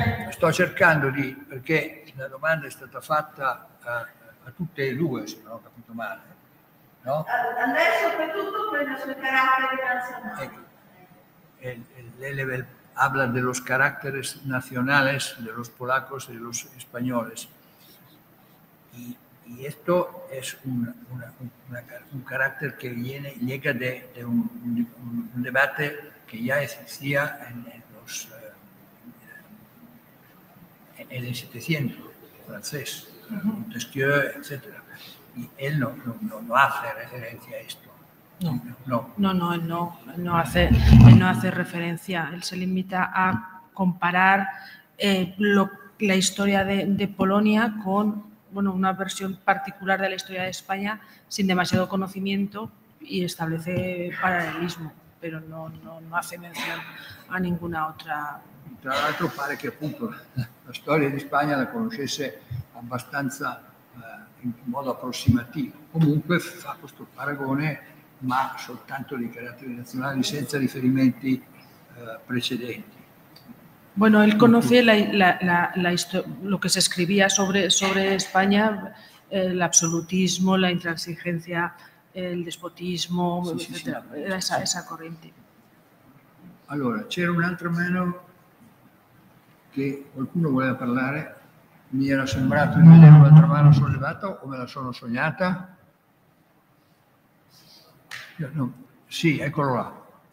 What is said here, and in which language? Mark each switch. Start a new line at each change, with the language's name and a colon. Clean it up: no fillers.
Italian: Sto cercando di, perché la domanda è stata fatta a tutte e due, se non ho capito male, no? Andrea soprattutto per il suo carattere nazionale. Ecco,
Spanish: l'Elevel habla de los caracteres nacionales de los polacos y de los españoles. Y esto es un carácter que llega de un debate que ya existía en el 700 francés, Montesquieu, etc. Y él no hace referencia a esto. Él no hace referencia. Él se limita a comparar la historia de Polonia con una versión particular de la historia de España sin demasiado conocimiento y establece paralelismo, pero no hace mención a ninguna otra.
Italian: Tra l'altro pare che appunto la storia di Spagna la conoscesse abbastanza in modo approssimativo. Comunque fa questo paragone, ma soltanto di carattere nazionale, senza riferimenti precedenti.
Spanish: Bueno, él conoce lo que se escribía sobre España, el absolutismo, la intransigencia, el despotismo, etcétera. Sí, sí, sí. Esa corriente.
Italian: Allora, c'era un altro meno che qualcuno voleva parlare. Mi era sembrato di vedere un'altra mano sollevata o me la sono sognata? No. Sì, eccolo là.